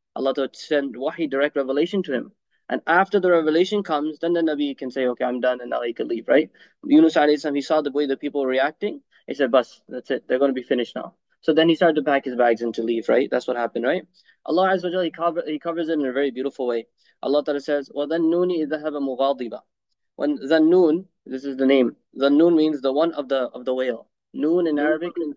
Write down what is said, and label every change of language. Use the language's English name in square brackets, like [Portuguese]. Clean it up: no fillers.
[English] Allah to send wahi, direct revelation to him. And after the revelation comes, then the Nabi can say, okay, I'm done, and now he could leave, right? Yunus alayhi salam, he saw the way the people were reacting. He said, bas, that's it, they're going to be finished now. So then he started to pack his bags and to leave, right? That's what happened, right? Allah Azza wa Jalla, he covers it in a very beautiful way. Allah Ta'ala says, [Arabic] وَذَنُّونِ إِذَا هَبَ مُغَاضِبًا. [English] When Zannun, this is the name, Zannun means the one of the whale. Noon in Arabic.